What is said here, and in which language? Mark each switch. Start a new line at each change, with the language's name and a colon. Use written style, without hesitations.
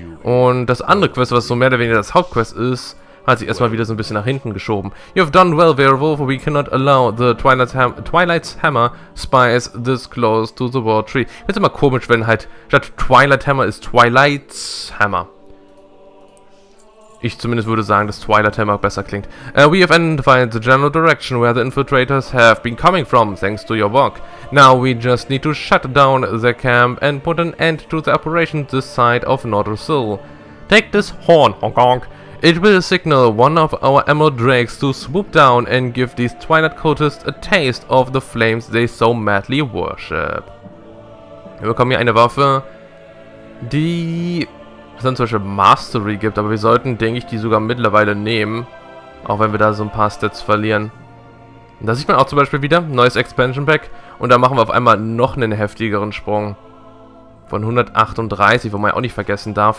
German: Und das andere Quest, was so mehr oder weniger das Hauptquest ist, hat sich erstmal wieder so ein bisschen nach hinten geschoben.
English: You've done well, Werewolf. We cannot allow the Twilight's Hammer spies this close to the World Tree.
German: Ist immer komisch, wenn halt statt Twilight Hammer ist Twilight's Hammer. Ich zumindest würde sagen, dass Twilight Hammer besser klingt.
English: We have identified the general direction where the infiltrators have been coming from, thanks to your work. Now we just need to shut down the camp and put an end to the operation this side of Nordrussil. Take this horn, honk honk. It will signal one of our ammo drakes to swoop down and give these Twilight cultists a taste of the flames they so madly worship.
German: Wir bekommen hier eine Waffe, die dann zum Beispiel Mastery gibt, aber wir sollten, denke ich, die sogar mittlerweile nehmen. Auch wenn wir da so ein paar Stats verlieren. Und da sieht man auch zum Beispiel wieder, neues Expansion Pack. Und da machen wir auf einmal noch einen heftigeren Sprung. Von 138, wo man ja auch nicht vergessen darf.